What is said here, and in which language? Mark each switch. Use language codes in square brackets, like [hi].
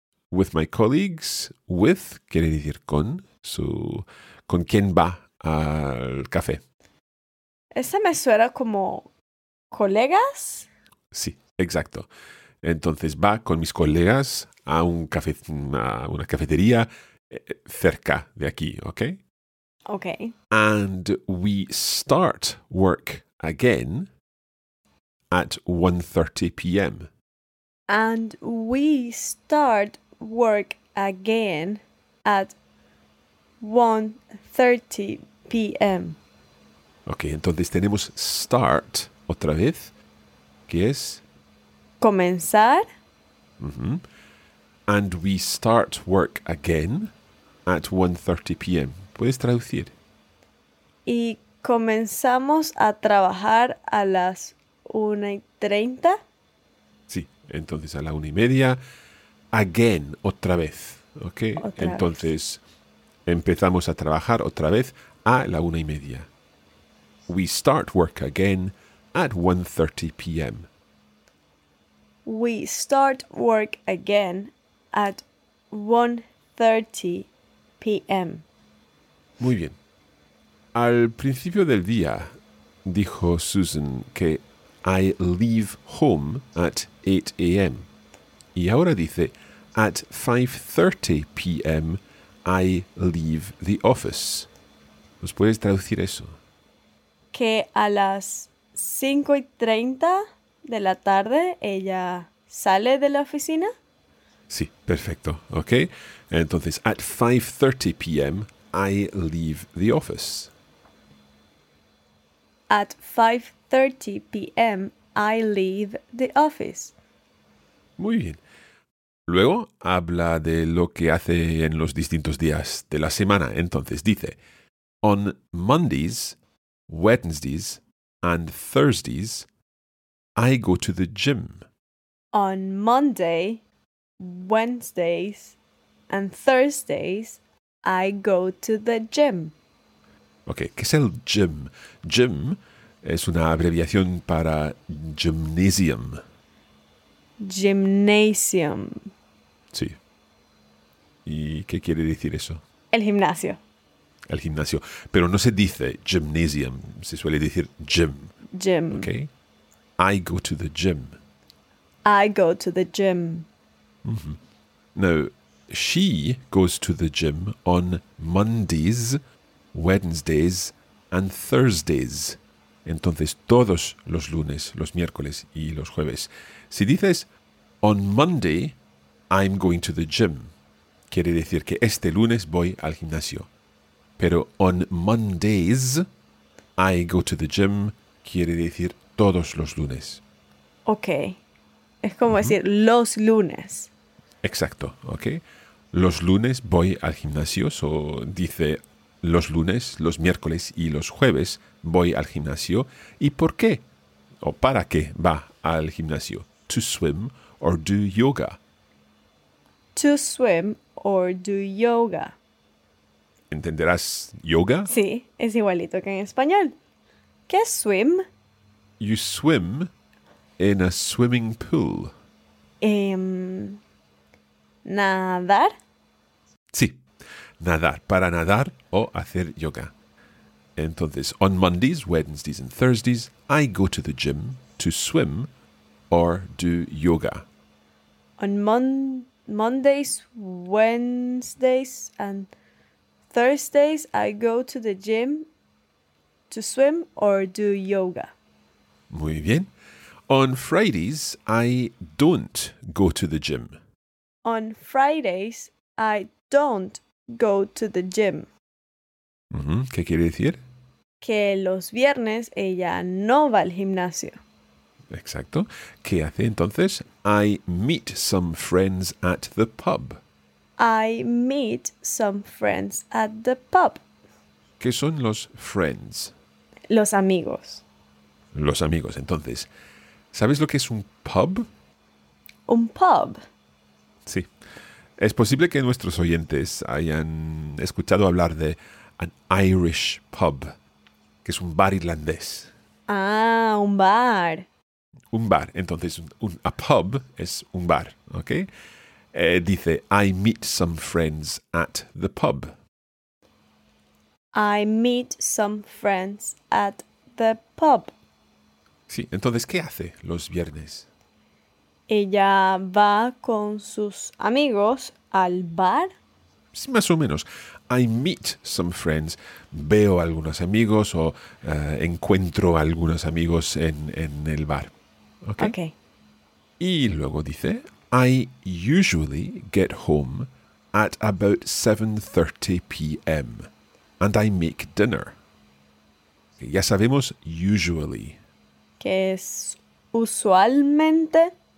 [en] With my colleagues. [es] With quiere decir con. So, ¿con quién va al café? Esa me suena como colegas. Sí, exacto. Entonces va con mis colegas a un café, a una cafetería cerca de aquí, ¿ok? Ok. [en] And we start work again at 1:30 p.m. And we start work again at 1:30 p.m. [es] Ok, entonces tenemos start otra vez, que es comenzar. Mm-hmm. [en] And we start work again at 1:30 p.m. [es] ¿Puedes traducir? Y comenzamos a trabajar a las 1:30. Sí, entonces a la 1:30. Again, otra vez. Ok, otra entonces vez. Empezamos a trabajar otra vez a la 1:30. [en] We start work again at 1:30 p.m. We start work again at 1:30 p.m. [es] Muy bien. Al principio del día, dijo Susan que [en] I leave home at 8 a.m. [es] Y ahora dice, [en] at 5:30 p.m. I leave the office. [es] ¿Nos puedes traducir eso? Que a las 5:30 de la tarde ella sale de la oficina. Sí, perfecto. Okay. Entonces, [en] at 5:30 p.m. I leave the office. At 5:30 p.m., I leave the office. [es] Muy bien. Luego, habla de lo que hace en los distintos días de la semana. Entonces, dice, [en] on Mondays, Wednesdays, and Thursdays, I go to the gym. On Monday, Wednesdays, and Thursdays, I go to the gym. [es] Okay, ¿qué es el gym? Gym es una abreviación para gymnasium. [en] Gymnasium. [es] Sí. ¿Y qué quiere decir eso? El gimnasio. El gimnasio. Pero no se dice gymnasium, se suele decir gym. [en] Gym. Okay. I go to the gym. I go to the gym. Mm-hmm. Now, she goes to the gym on Mondays, Wednesdays, and Thursdays. [es] Entonces, todos los lunes, los miércoles y los jueves. Si dices, [en] on Monday, I'm going to the gym, [es] quiere decir que este lunes voy al gimnasio. Pero [en] on Mondays, I go to the gym, [es] quiere decir todos los lunes. Ok. Es como decir los lunes. Exacto. Ok. Los lunes voy al gimnasio. O dice los lunes, los miércoles y los jueves voy al gimnasio. ¿Y por qué? ¿O para qué va al gimnasio? [en] To swim or do yoga. To swim or do yoga. [es] ¿Entenderás yoga? Sí, es igualito que en español. ¿Qué es swim? [en] You swim in a swimming pool. [es] ¿Nadar? Sí, nadar, para nadar o hacer yoga. Entonces, [en] on Mondays, Wednesdays and Thursdays, I go to the gym to swim or do yoga. On Mondays, Wednesdays and Thursdays, I go to the gym to swim or do yoga. [es] Muy bien. [en] On Fridays, I don't go to the gym. On Fridays, I don't go to the gym. [es] ¿Qué quiere decir? Que los viernes ella no va al gimnasio. Exacto. ¿Qué hace entonces? [en] I meet some friends at the pub. I meet some friends at the pub. [es] ¿Qué son los friends? Los amigos. Los amigos. Entonces, ¿sabes lo que es un pub? ¿Un pub? Sí. Es posible que nuestros oyentes hayan escuchado hablar de [en] an Irish pub, [es] que es un bar irlandés. Ah, un bar. Un bar. Entonces, a pub es un bar, ¿ok? Dice, [en] I meet some friends at the pub. I meet some friends at the pub. [es] Sí, entonces, ¿qué hace los viernes? Ella va con sus amigos al bar. Sí, más o menos. [en] I meet some friends. [es] Veo algunos amigos o encuentro algunos amigos en el bar. ¿Okay? Okay. Y luego dice, [en] I usually get home at about 7:30 p.m. and I make dinner. [es] Ya sabemos [en] usually. [es] ¿Qué es usualmente?